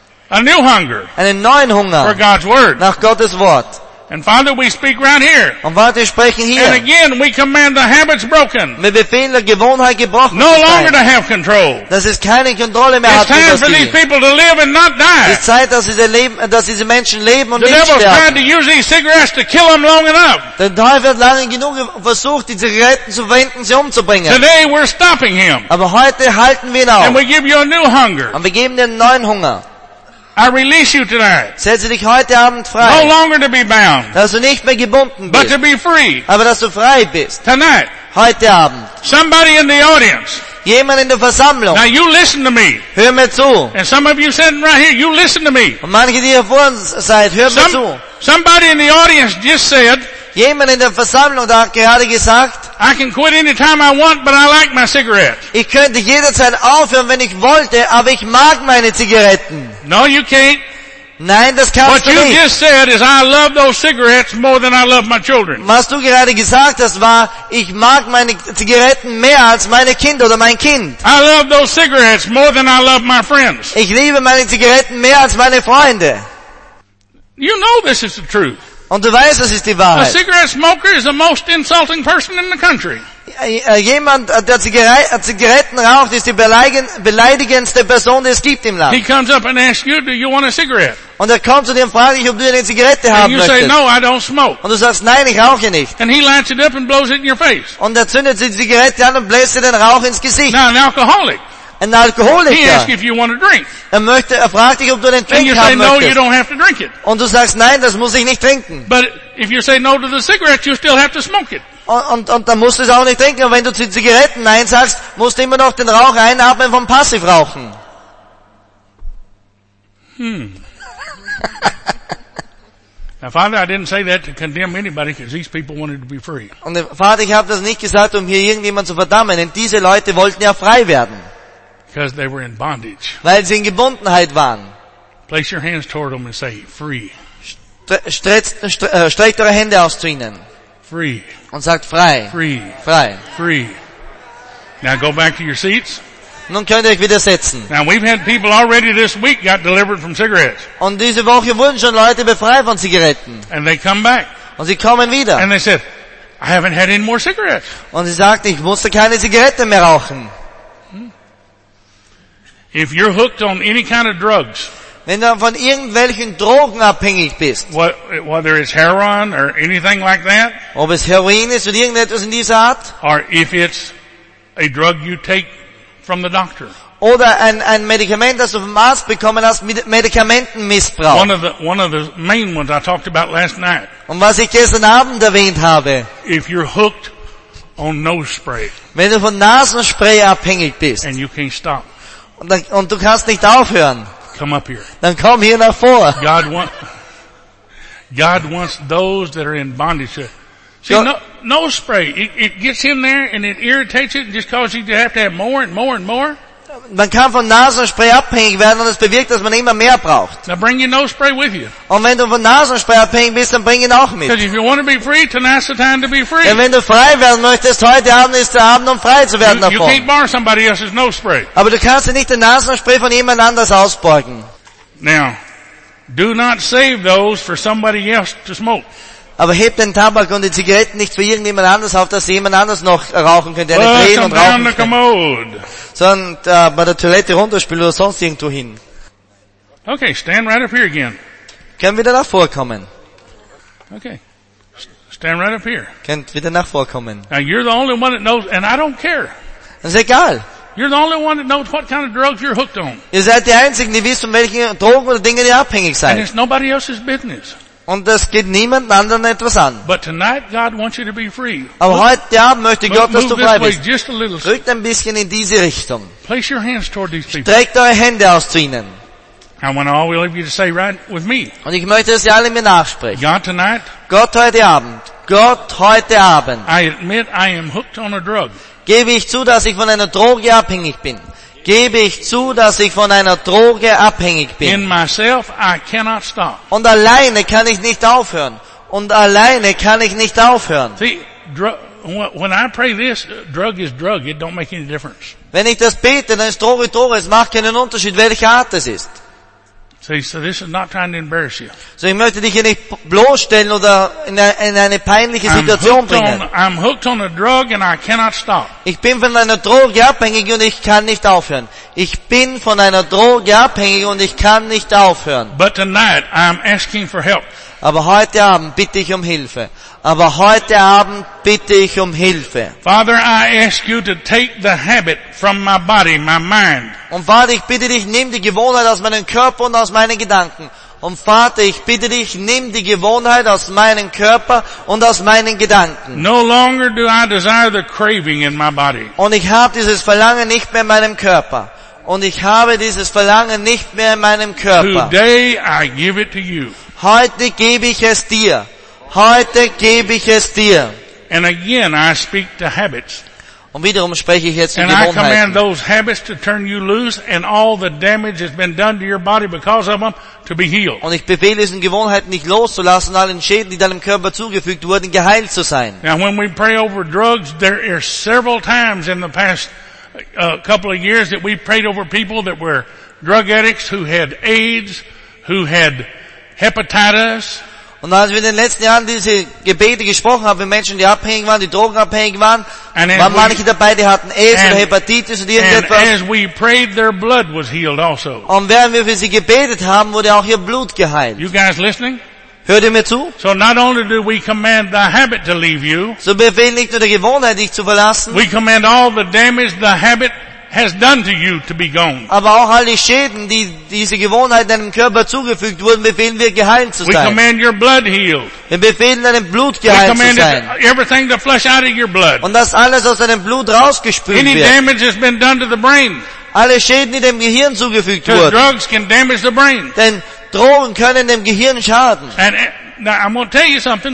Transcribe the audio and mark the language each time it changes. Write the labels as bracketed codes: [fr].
[en] A new hunger. [de] Einen neuen Hunger. [en] For God's word. [de] Nach Gottes Wort. [en] And Father, we speak right here. [de] Und Vater, wir sprechen hier. [en] And again, we command the habits broken. [de] Wir befehlen der Gewohnheit gebrochen. [en] No longer to have control. [de] Dass es keine Kontrolle mehr hat. [en] It's time for these people to live and not die. [de] Es ist Zeit, dass diese Menschen leben und nicht sterben. [en] The devil's tried to use these cigarettes to kill them long enough. [de] Der Teufel hat lange genug versucht, die Zigaretten zu wenden, sie umzubringen. [en] Today we're stopping him. [de] Aber heute halten wir ihn auf. [en] And we give you a new hunger. [de] Und wir geben dir einen neuen Hunger. [en] I release you tonight. [de] Setze dich heute Abend frei. [en] No longer to be bound. [de] Dass du nicht mehr gebunden bist. [en] But to be free. [de] Aber dass du frei bist. [en] Tonight. [de] Heute Abend. [en] Somebody in the audience. [de] Jemand in der Versammlung. [en] Now you listen to me. [de] Hör mir zu. [en] And some of you sitting right here, you listen to me. [de] Und manche, die hier vorne seid, hör mir zu. [en] Somebody in the audience just said. [de] Jemand in der Versammlung hat gerade gesagt. [en] I can quit any time I want, but I like my cigarette. [de] Ich könnte jederzeit aufhören, wenn ich wollte, aber ich mag meine Zigaretten. [en] No, you can't. [de] Nein, das kannst [en] What [de] du nicht. [en] What you just said is I love those cigarettes more than I love my children. [de] Was du gerade gesagt hast, war, ich mag meine Zigaretten mehr als meine Kinder oder mein Kind. [en] I love those cigarettes more than I love my friends. [de] Ich liebe meine Zigaretten mehr als meine Freunde. [en] You know this is the truth. [de] Und du weißt, das ist die Wahrheit. [en] A cigarette smoker is the most insulting person in the country. [de] Jemand, der Zigaretten raucht, ist die beleidigendste Person, die es gibt im Land. [en] He comes up and asks you, do you want a cigarette? [de] Und kommt zu dir und fragt dich, ob du eine Zigarette haben möchtest. [en] And you say, no, I don't smoke. [de] Und du sagst, nein, ich rauche nicht. [en] And he lights it up and blows it in your face. [de] Und zündet die Zigarette an und bläst dir den Rauch ins Gesicht. [en] Now, an alcoholic. [de] Ein Alkoholiker. [en] He asks if you want a drink. [de] Fragt dich, ob du einen Trink haben möchtest. [en] And you say, no, you don't have to drink it. [de] Und du sagst, nein, das muss ich nicht trinken. [en] But if you say no to the cigarette, you still have to smoke it. [de] Und dann musst du es auch nicht trinken. Und wenn du zu Zigaretten Nein sagst, musst du immer noch den Rauch einatmen vom Passivrauchen. [en] Now, Father, I didn't say that to condemn anybody, because these people wanted to be free. [de] Und Vater, ich habe das nicht gesagt, um hier irgendjemand zu verdammen, denn diese Leute wollten ja frei werden. [en] Because they were in bondage. [de] Weil sie in Gebundenheit waren. [en] Place your hands toward them and say, free. [de] Streckt eure Hände aus zu ihnen. [en] Free. [de] Und sagt frei. [en] Free. [de] Frei. [en] Free. Now go back to your seats. [de] Nun könnt ihr euch wieder setzen. [en] Now we've had people already this week got delivered from cigarettes. [de] Und diese Woche wurden schon Leute befreit von Zigaretten. [en] And they come back. [de] Und sie kommen wieder. [en] And they said, I haven't had any more cigarettes. [de] Und sie sagten, ich musste keine Zigarette mehr rauchen. [en] If you're hooked on any kind of drugs, [de] wenn du von irgendwelchen Drogen abhängig bist, [en] whether it's heroin or anything like that, [de] ob es Heroin ist oder irgendetwas in dieser Art, [en] or if it's a drug you take from the doctor, [de] oder ein Medikament, das du vom Arzt bekommen hast, Medikamentenmissbrauch. [en] One of the main ones I talked about last night. [de] Und was ich gestern Abend erwähnt habe. [en] If you're hooked on nose spray, [de] wenn du von Nasenspray abhängig bist, [en] and you can't stop. [de] Und du kannst nicht aufhören. [en] Come up here. [de] Dann komm hier nach vor. [en] God wants those that are in bondage. See, nose spray, it gets in there and it irritates it and just causes you to have more and more and more. [de] Man kann von Nasenspray abhängig werden und es bewirkt, dass man immer mehr braucht. [en] Now bring your nose spray with you. [de] Und wenn du von Nasenspray abhängig bist, dann bring ihn auch mit. [en] Because if you want to be free, tonight's the time to be free. [de] Denn wenn du frei werden möchtest, heute Abend ist der Abend, um frei zu werden davon. [en] You can't borrow somebody else's nose spray. [de] Aber du kannst nicht den Nasenspray von jemand anders ausborgen. [en] Now, do not save those for somebody else to smoke. [de] Aber heb den Tabak und die Zigaretten nicht für irgendjemand anders auf, dass sie jemand anders noch rauchen könnte, eine drehen und rauchen könnte. Sondern bei der Toilette runterspülen oder sonst irgendwo hin. [en] Okay, stand right up here again. [de] Können wieder nach vorkommen. [en] Okay, stand right up here. [de] Könnt wieder nach vorkommen. [en] Now you're the only one that knows, and I don't care. [de] Das ist egal. [en] You're the only one that knows what kind of drugs you're hooked on. [de] Ihr seid die Einzigen, die wissen, von welchen Drogen oder Dingen ihr abhängig seid. [en] And it's nobody else's business. [de] Und das geht niemand anderen etwas an. [en] But tonight God wants you to be free. [de] Aber heute Abend möchte Gott, dass du frei bist. [en] Just a little. [de] Rückt ein bisschen in diese Richtung. [en] Place your hands toward these people. [de] Streckt eure Hände aus zu ihnen. [en] I want all of you to say right with me. [de] Und ich möchte, dass ihr alle mir nachsprecht. [en] God tonight. [de] Gott heute Abend. Gott heute Abend. [en] I admit I am hooked on a drug. [de] Gebe ich zu, dass ich von einer Droge abhängig bin. Gebe ich zu, dass ich von einer Droge abhängig bin. [en] In myself, I cannot stop. [de] Und alleine kann ich nicht aufhören. Und alleine kann ich nicht aufhören. [en] See, when I pray this, drug is drug. It don't make any difference. [de] Wenn ich das bete, dann ist Droge Droge. Es macht keinen Unterschied, welche Art es ist. [en] So this is not trying to embarrass you. [de] So ich möchte dich hier nicht bloßstellen oder in eine peinliche Situation bringen. [en] I'm hooked on a drug and I cannot stop. [de] Ich bin von einer Droge abhängig und ich kann nicht aufhören. Ich bin von einer Droge abhängig und ich kann nicht aufhören. [en] But tonight I'm asking for help. [de] Aber heute Abend bitte ich um Hilfe. Aber heute Abend bitte ich um Hilfe. [en] Father, I ask you to take the habit from my body, my mind. [de] Und Vater, ich bitte dich, nimm die Gewohnheit aus meinem Körper und aus meinen Gedanken. Und Vater, ich bitte dich, nimm die Gewohnheit aus meinem Körper und aus meinen Gedanken. [en] No longer do I desire the craving in my body. [de] Und ich habe dieses Verlangen nicht mehr in meinem Körper. Und ich habe dieses Verlangen nicht mehr in meinem Körper. [en] Today I give it to you. [de] Heute gebe ich es dir. Heute gebe ich es dir. [en] And again, I speak to habits. [de] Und wiederum spreche ich jetzt in Gewohnheiten. [en] And I command those habits to turn you loose and all the damage that's been done to your body because of them to be healed. [de] Und ich befehle diesen Gewohnheiten nicht loszulassen und all den Schäden, die deinem Körper zugefügt wurden, geheilt zu sein. [en] Now when we pray over drugs, there are several times in the past couple of years that we prayed over people that were drug addicts who had AIDS, who had hepatitis. [de] Und als wir in den letzten Jahren diese Gebete gesprochen haben, wir Menschen, die abhängig waren, die drogenabhängig waren, waren manche dabei, die hatten AIDS oder Hepatitis oder irgendetwas. [en] As we prayed, their blood was healed also. [de] Und während wir für sie gebetet haben, wurde auch ihr Blut geheilt. [en] You guys listening? [de] Hört ihr mir zu? [en] So not only do we command the habit to leave you, [de] so befehlen nicht nur der Gewohnheit, dich zu verlassen, [en] we command all the damage the habit has done to you to be gone. [de] Aber auch all die Schäden, die diese Gewohnheit deinem Körper zugefügt wurden, befehlen wir geheilt zu sein. [en] We command your blood healed. [de] Wir befehlen deinem Blut geheilt zu sein. [en] We command everything to flush out of your blood. [de] Und dass alles aus deinem Blut rausgespült wird. [en] Any damage has been done to the brain. [de] Alle Schäden, die dem Gehirn zugefügt wurden. [en] Drugs can damage the brain. [de] Denn Drogen können dem Gehirn schaden. [en] And now I'm going to tell you something.